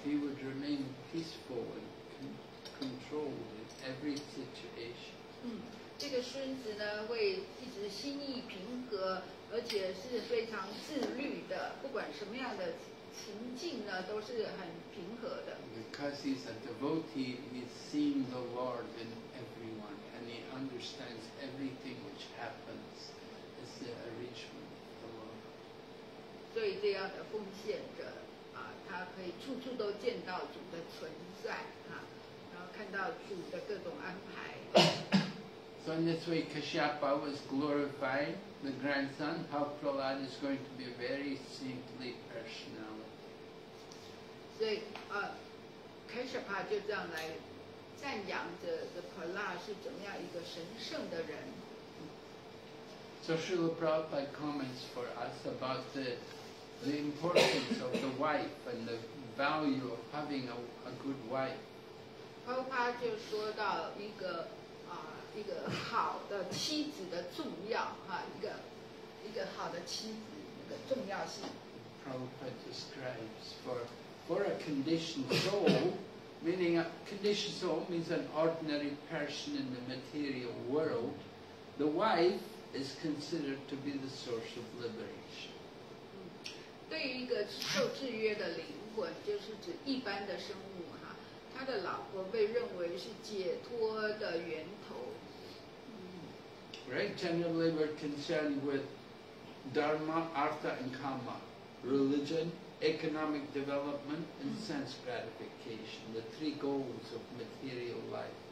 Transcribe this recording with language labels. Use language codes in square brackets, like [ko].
[en] He would remain peaceful and controlled in every situation. [zh] 这个孙子呢，会一直心意平和，而且是非常自律的。不管什么样的情境呢，都是很平和的。 [en] Because he's a devotee, he's seen the Lord in everyone, and he understands everything which happens is the arrangement of the Lord. [zh] 所以这样的奉献者啊，他可以处处都见到主的存在啊，然后看到主的各种安排。 [en] So in this way, Kashyapa was glorified, the grandson, how Prahlada is going to be a very saintly personality. [zh] So, Kashyapa 就这样来赞扬着 the Prahlada 是怎么样一个神圣的人。 [en] So Srila Prabhupada comments for us about the importance of the wife and the value of having a good wife. [zh] Prabhupada 就说到一个一个好的妻子的重要一个好的妻子的重要性。 [en] Prabhupada describes for a conditioned soul, meaning a conditioned soul means an ordinary person in the material world, The wife is considered to be the source of liberation. [zh] 对于一个受制约的灵魂，就是指一般的生物哈，他的老婆被认为是解脱的源头。 [en] Right, gender labor concerned with dharma, artha, and kama, religion, economic development, and sense gratification, the three goals of material life.